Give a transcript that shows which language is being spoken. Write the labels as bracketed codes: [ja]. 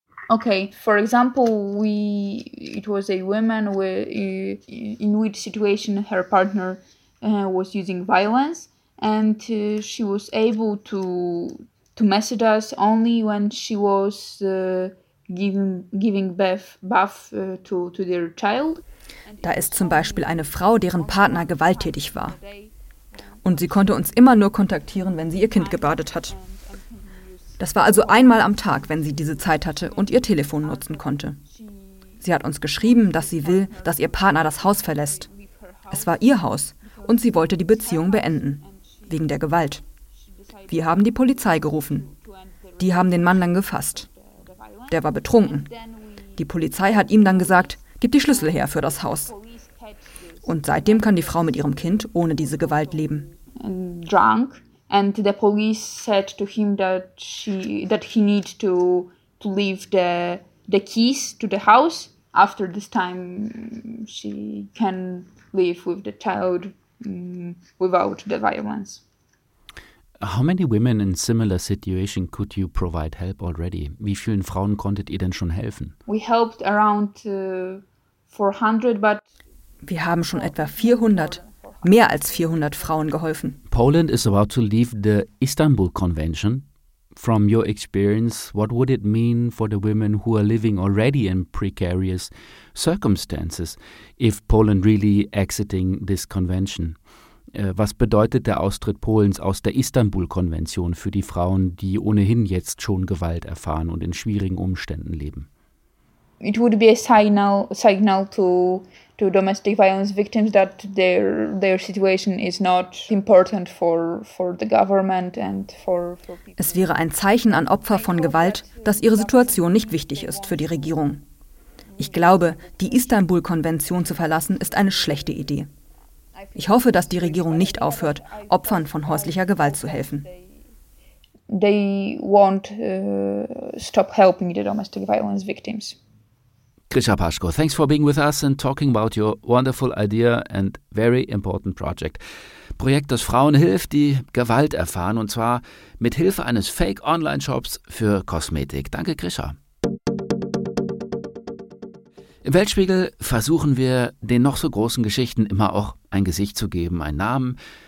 [en] Okay, for example, it was a woman in which situation her partner was using violence, and she was able to message us only when she was giving bath to their child. [de] Da ist zum Beispiel eine Frau, deren Partner gewalttätig war. Und sie konnte uns immer nur kontaktieren, wenn sie ihr Kind gebadet hat. Das war also einmal am Tag, wenn sie diese Zeit hatte und ihr Telefon nutzen konnte. Sie hat uns geschrieben, dass sie will, dass ihr Partner das Haus verlässt. Es war ihr Haus und sie wollte die Beziehung beenden, wegen der Gewalt. Wir haben die Polizei gerufen. Die haben den Mann dann gefasst. Der war betrunken. Die Polizei hat ihm dann gesagt, gib die Schlüssel her für das Haus. Und seitdem kann die Frau mit ihrem Kind ohne diese Gewalt leben. [en] Drunk, and the police said to him that he need to leave the keys to the house. After this time, she can live with the child without the violence. How many women in similar situation could you provide help already? [de] Wie vielen Frauen konntet ihr denn schon helfen? [en] We helped around 400, but [de] wir haben schon etwa 400, mehr als 400 Frauen geholfen. [en] Poland is about to leave the Istanbul Convention. From your experience, what would it mean for the women who are living already in precarious circumstances, if Poland really exiting this convention? [de] Was bedeutet der Austritt Polens aus der Istanbul-Konvention für die Frauen, die ohnehin jetzt schon Gewalt erfahren und in schwierigen Umständen leben? [en] It would be a signal to domestic violence victims that their situation is not important for the government and for people. [de] Es wäre ein Zeichen an Opfer von Gewalt, dass ihre Situation nicht wichtig ist für die Regierung. Ich glaube, die Istanbul-Konvention zu verlassen ist eine schlechte Idee. Ich hoffe, dass die Regierung nicht aufhört, Opfern von häuslicher Gewalt zu helfen. [en] They won't stop helping the domestic violence victims. Krisha Paschko, thanks for being with us and talking about your wonderful idea and very important project. [de] Projekt, das Frauen hilft, die Gewalt erfahren, und zwar mit Hilfe eines Fake-Online-Shops für Kosmetik. Danke, Krisha. Im Weltspiegel versuchen wir, den noch so großen Geschichten immer auch ein Gesicht zu geben, einen Namen.